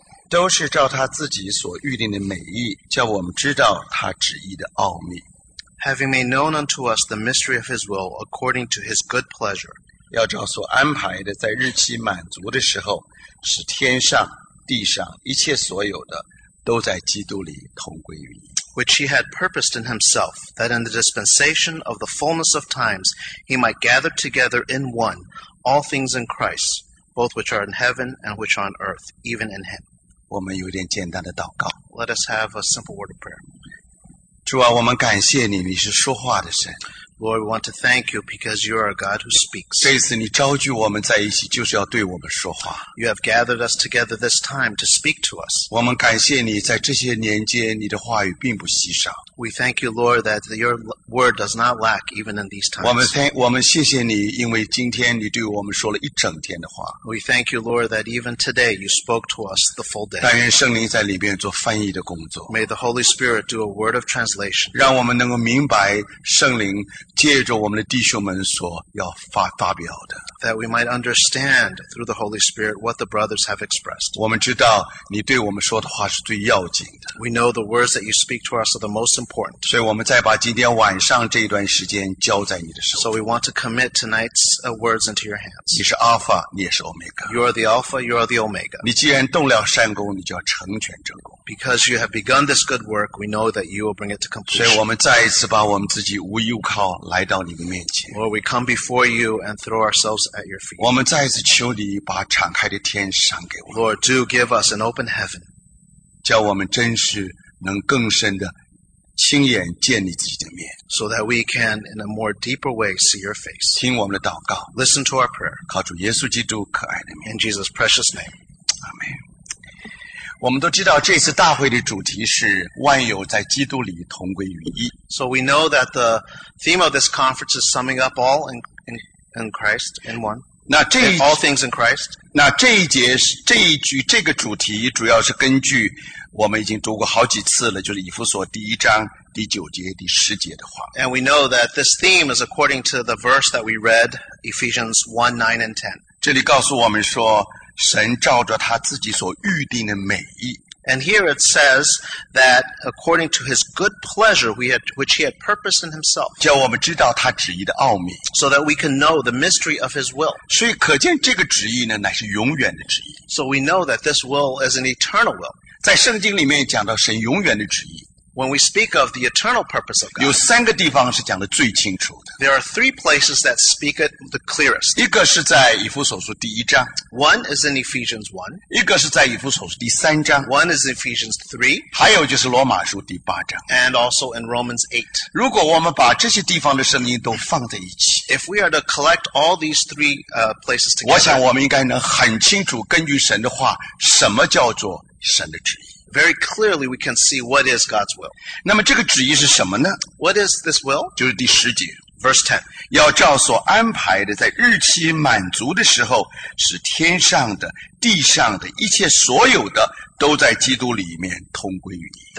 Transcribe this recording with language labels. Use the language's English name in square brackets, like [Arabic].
[Chinese] 都是照他自己所预定的美意叫我们知道他旨意的奥秘 [English] Having made known unto us the mystery of his will according to his good pleasure [Chinese] 要照所安排的在日期满足的时候使天上地上一切所有的都在基督里同归于一 [English] Which he had purposed in himself that in the dispensation of the fullness of times he might gather together in oneAll things in Christ, both which are in heaven and which are on earth, even in Him. [Chinese] 我们有点简单的祷告。 [English] Let us have a simple word of prayer. [Chinese] 主啊，我们感谢你，你是说话的神。 [English] Lord, we want to thank you because you are a God who speaks. [Chinese] 这次你召聚我们在一起，就是要对我们说话。 [English] You have gathered us together this time to speak to us. [Chinese] 我们感谢你在这些年间，你的话语并不稀少。 [English] We thank you, Lord, that your word does not lack even in these times. [Chinese] 我们谢谢你，因为今天你对我们说了一整天的话。 [English] We thank you, Lord, that even today you spoke to us the full day. [Chinese] 但愿圣灵在里面做翻译的工作。 [English] May the Holy Spirit do a word of translation. [Chinese] 让我们能够明白圣灵借着我们的弟兄们所要发表的。 [English] That we might understand through the Holy Spirit what the brothers have expressed. [Chinese] 我们知道你对我们说的话是最要紧的。 [English] We know the words that you speak to us are the most important. [Chinese] 所以我们再把今天晚上这一段时间交在你的手。 [English] So we want to commit tonight's words into your hands. [Chinese] 你是 Alpha, 你也是 Omega. [English] You are the Alpha, you are the Omega. [Chinese] 你既然动了善功，你就要成全正功。 [English] Because you have begun this good work, we know that you will bring it to completion. [Chinese] 所以我们再一次把我们自己无依无靠来到你的面前。 [English] Lord, we come before you and throw ourselves at your feet. [Chinese] 我们再一次求你把敞开的天赏给我们。 [English] Lord, do give us an open heaven. [Chinese] 叫我们真实能更深的亲眼见你自己的面 [English] so that we can in a more deeper way see your face [Chinese] 听我们的祷告 [English] listen to our prayer [Chinese] 靠主耶稣基督可爱的名 [English] in Jesus precious name [Chinese] Amen 我们都知道这次大会的主题是万有在基督里同归于一 [English] so we know that the theme of this conference is summing up all in Christ in one all things in Christ [Chinese] 那这一节这一句这个主题主要是根据我们已经读过好几次了就是以弗所第一章第九节第十节的话 [English] And we know that this theme is according to the verse that we read Ephesians 1, 9 and 10 [Chinese] 这里告诉我们说神照着他自己所预定的美意 [English] And here it says that according to his good pleasure which he had purposed in himself [Chinese] 叫我们知道他旨意的奥秘 [English] So that we can know the mystery of his will [Chinese] 所以可见这个旨意呢乃是永远的旨意 [English] So we know that this will is an eternal will [Chinese] 在圣经里面讲到神永远的旨意 [English] When we speak of the eternal purpose of God [Chinese] 有三个地方是讲的最清楚的 [English] There are three places that speak it the clearest [Chinese] 一个是在以弗所书第一章 [English] One is in Ephesians 1 [Chinese] 一个是在以弗所书第三章 [English] One is in Ephesians 3 [Chinese] 还有就是罗马书第八章 [English] And also in Romans 8 [Chinese] 如果我们把这些地方的声音都放在一起 [English] If we are to collect all these three places together [Chinese] 我想我们应该能很清楚根据神的话什么叫做神的旨意 [English] Very clearly we can see what is God's will. [Chinese] 那么这个旨意是什么呢 [English] What is this will? [Chinese] 就是第十节 [English] Verse 10. [Chinese] 要照所安排的在日期满足的时候使天上的地上的一切所有的都在基督里面同归于一